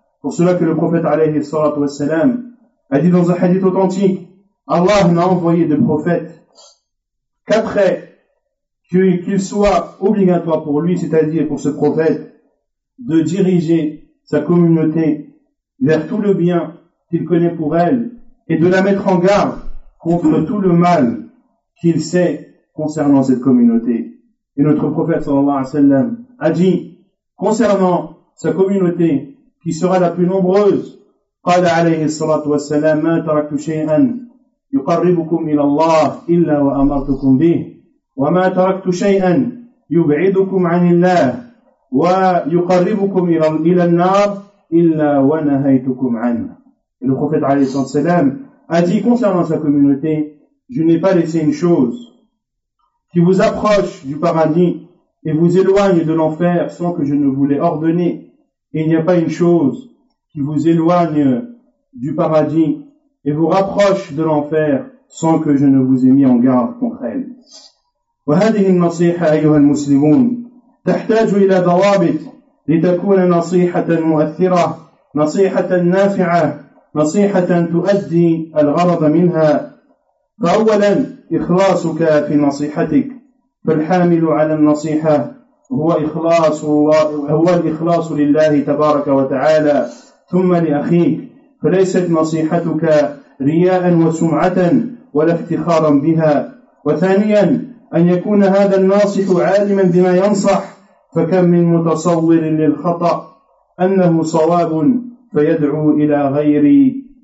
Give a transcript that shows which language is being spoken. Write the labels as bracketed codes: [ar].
[fr] Pour cela que le prophète [ar] alayhi salatu wa salam [fr] a dit dans un hadith authentique: Allah n'a envoyé de prophète qu'après qu'il soit obligatoire pour lui, c'est-à-dire pour ce prophète, de diriger sa communauté vers tout le bien qu'il connaît pour elle et de la mettre en garde contre tout le mal qu'il sait concernant cette communauté. Et notre prophète sallallahu alayhi wa sallam a dit concernant sa communauté qui sera la plus nombreuse: [ar] قال عليه الصلاة والسلام: ما تركت شيئا يقربكم إلى الله إلا وأمرتكم به، وما تركت شيئا يبعدكم عن الله ويقربكم إلى النار إلا ونهيتكم عنه. [fr] Et le prophète [ar] عليه الصلاة والسلام [fr] a dit concernant sa communauté: je n'ai pas laissé une chose qui vous approche du paradis et vous éloigne de l'enfer sans que je ne vous l'ai ordonné. Et il n'y a pas une chose qui vous éloigne du paradis et vous rapproche de l'enfer sans que je ne vous ai mis en garde contre elle. [ar] وهذه النصيحة أيها المسلمون تحتاج إلى ضوابط لتكون نصيحة مؤثرة نصيحة نافعة نصيحة تؤدي الغرض منها فأولا إخلاصك في نصيحتك فالحامل على النصيحة هو إخلاص الله هو الإخلاص لله تبارك وتعالى ثم لأخيك فليست نصيحتك رياء وسمعة ولا افتخارا بها وثانيا أن يكون هذا الناصح عالما بما ينصح فكم من متصور للخطأ أنه صواب فيدعو إلى غير